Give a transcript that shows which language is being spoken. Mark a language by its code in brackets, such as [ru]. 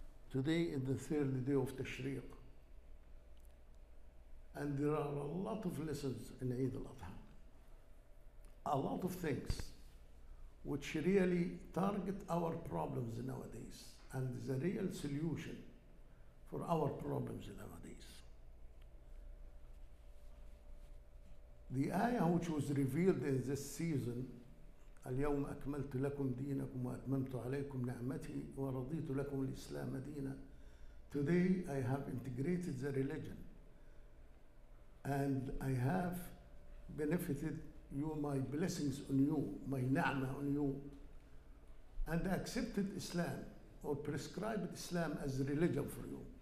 [en] Today is the third day of Tashriq, and there are a lot of lessons in Eid al-Adha. A lot of things which really target our problems nowadays, and is a real solution for our problems nowadays. The ayah which was revealed in this season, [ar] اليوم أكملت لكم دينكم وأتممت عليكم نعمتي ورضيت لكم الإسلام دينا. [en] Today I have integrated the religion and I have benefited you, my blessings on you, my ni'ma on you, and accepted Islam or prescribed Islam as religion for you.